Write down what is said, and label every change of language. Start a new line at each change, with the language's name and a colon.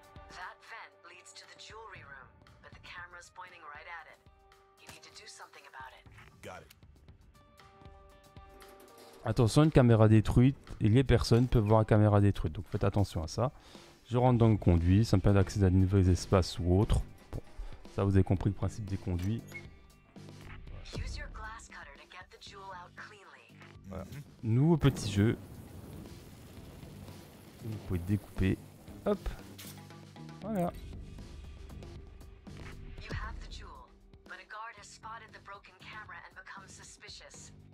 English: That vent leads to the jewelry room, but the camera's pointing right at it. You need to do something about it. Got it.
French: Attention, une caméra détruite et les personnes peuvent voir la caméra détruite. Donc faites attention à ça. Je rentre dans le conduit, ça me permet d'accéder à de nouveaux espaces ou autres. Bon, ça vous avez compris le principe des conduits.
English: Use your glass cutter to get the jewel out cleanly.
French: Voilà. Nouveau petit jeu. Vous pouvez découper. Hop. Voilà.
English: You have the jewel, but a guard has spotted the broken camera and become suspicious.